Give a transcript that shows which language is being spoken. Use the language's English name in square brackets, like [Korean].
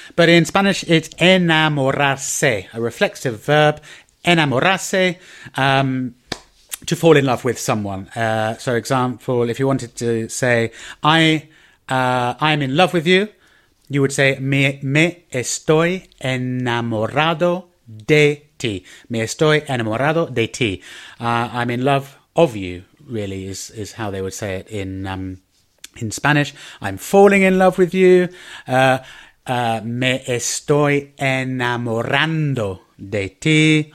[English] But in Spanish, it's enamorarse, a reflexive verb, enamorarse. To fall in love with someone. So, example, if you wanted to say, I'm in love with you, you would say, [Spanish] me estoy enamorado de ti. Me estoy enamorado de ti. [English] I'm in love of you, really, is how they would say it in Spanish. I'm falling in love with you. [Spanish] Me estoy enamorando de ti.